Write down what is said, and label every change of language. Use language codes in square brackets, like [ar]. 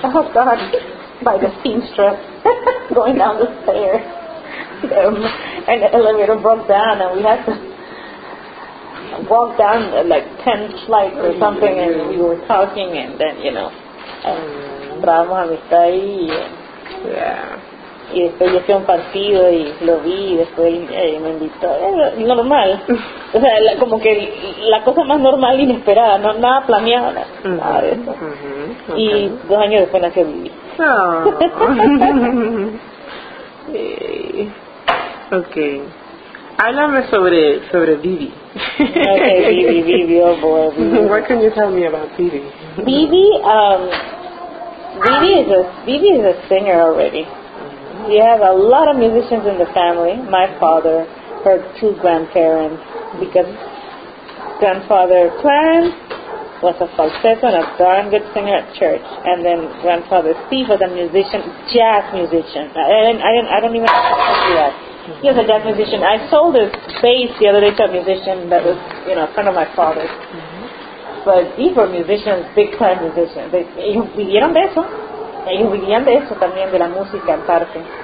[en] Oh God, by the seamstress going down the stairs. And the elevator broke down, and we had to walk down like 10 flights or something, and we were talking, and then, you know, [es] entramos a amistad ahí. [en] Yeah. [es] Y después yo fui a un partido y lo vi, y después me invitó. Normal. O sea, como que la cosa más normal, inesperada, no nada planeado, nada de eso. [en] Okay. [es] Y 2 años después nació Vivi. [en] Oh. Okay. [es] Háblame sobre Vivi. [en] Okay, Vivi, oh boy, Vivi. What can you tell me about Vivi? Vivi is a singer already. Mm-hmm. We have a lot of musicians in the family. My father, her 2 grandparents, because grandfather Clarence was a falsetto and a darn good singer at church, and then grandfather Steve was a musician, jazz musician. I don't even know that. He was a jazz musician. I sold his bass the other day to a musician that was, you know, a friend of my father's. But these were musicians, big time musicians. [es] Ellos vivieron de eso. Ellos vivían de eso también, de la música en parte.